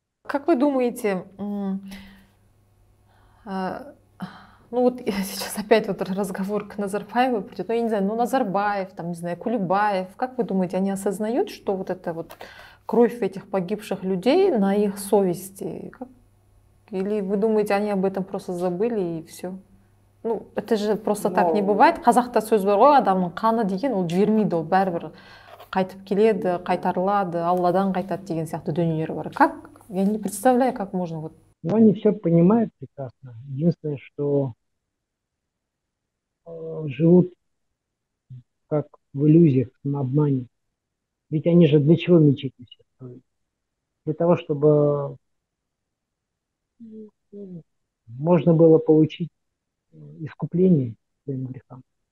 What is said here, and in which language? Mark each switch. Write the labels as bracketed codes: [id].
[ru] Как вы думаете, ну вот сейчас опять вот разговор к Назарбаеву придет, ну я не знаю, ну Назарбаев, там, не знаю, Кулебаев, как вы думаете, они осознают, что вот эта вот кровь этих погибших людей на их совести? Или вы думаете, они об этом просто забыли и все? Ну, это же просто так не бывает. [kk] Қазақта сөз бар ғой, адамның қаны деген ол жібермейді, ол бәрібір қайтып келеді, қайтарылады, Алладан қайтады деген сияқты дүниелер бар. [ru] Как? Я не представляю, как можно вот. Ну, они все понимают прекрасно. Единственное, что живут как в иллюзиях, на обмане. Ведь они же для чего мечети все строят? Для того, чтобы можно было получить искупление своим грехам.